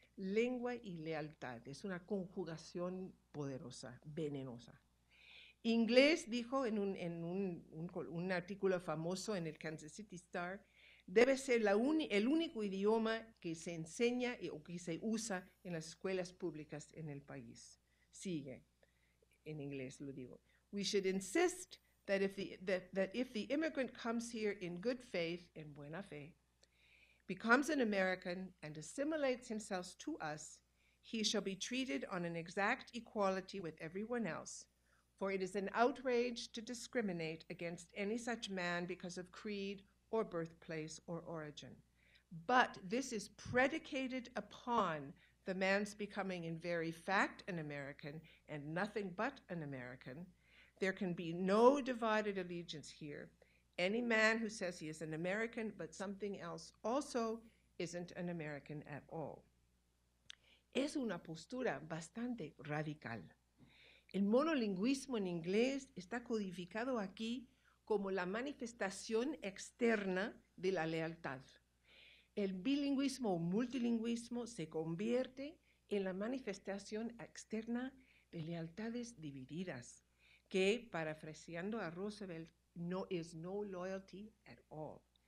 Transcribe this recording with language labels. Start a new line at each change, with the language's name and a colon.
Spanish: Lengua y lealtad, es una conjugación poderosa, venenosa. Inglés, dijo en un artículo famoso en el Kansas City Star, debe ser el único idioma que se enseña o que se usa en las escuelas públicas en el país. Sigue, en inglés lo digo.
English: We should insist that if the immigrant comes here in good faith,
Spanish: en buena fe,
English: becomes an American and assimilates himself to us, he shall be treated on an exact equality with everyone else, for it is an outrage to discriminate against any such man because of creed or birthplace or origin. But this is predicated upon the man's becoming in very fact an American and nothing but an American. There can be no divided allegiance here. Any man who says he is an American but something else also isn't an American at all.
Spanish: Es una postura bastante radical. El monolingüismo en inglés está codificado aquí como la manifestación externa de la lealtad. El bilingüismo o multilingüismo se convierte en la manifestación externa de lealtades divididas, que, parafraseando a Roosevelt,
English: no is no loyalty at all.